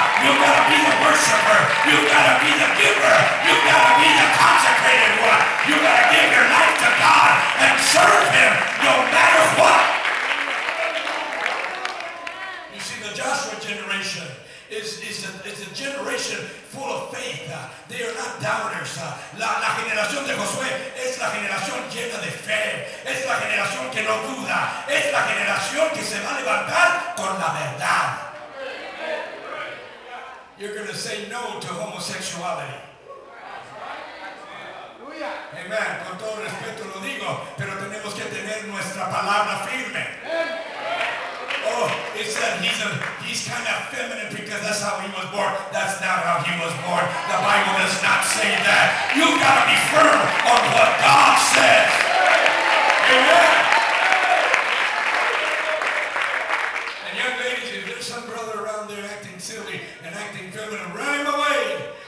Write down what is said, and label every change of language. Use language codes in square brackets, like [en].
[en] You gotta be the worshiper. You gotta be the giver. You gotta be the consecrated one. You gotta give your life to God and serve Him no matter what. You see, the Joshua generation is a generation full of faith. They are not doubters. [es] La generación de Josué es la generación llena de fe. Es la generación que no duda. Es la generación que se va a levantar con la verdad. [en] You're going to say no to homosexuality. [es] Amen. Con todo respeto lo digo, pero tenemos que tener nuestra palabra firme. [en] Oh, it's that he's kind of feminine because that's how he was born. That's not how he was born. The Bible does not say that. You've got to be firm on what God says. Amen. And young ladies, if there's some brother around there acting silly and acting feminine, run him away.